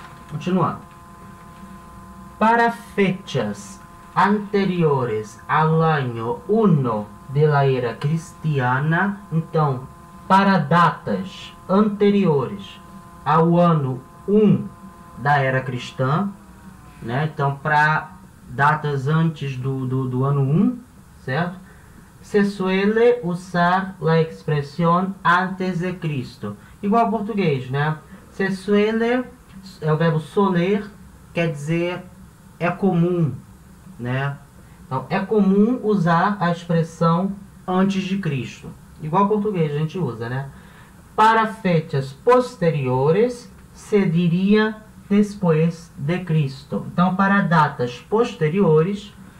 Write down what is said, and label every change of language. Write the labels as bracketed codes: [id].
[pt] Continuando. [es] Para fechas anteriores ao ano 1 de la era cristiana, [pt] então, para datas anteriores ao ano 1 da era cristã, né? Então, para datas antes do ano 1, certo? [es] Se suele usar la expresión antes de Cristo. [pt] Igual ao português, né? [es] Se suele, [pt] é o verbo soler, quer dizer é comum, né? Então, é comum usar a expressão antes de Cristo. Igual ao português, a gente usa, né? [es] Para fechas posteriores, [pt] se diria depois de Cristo. Então, para datas posteriores,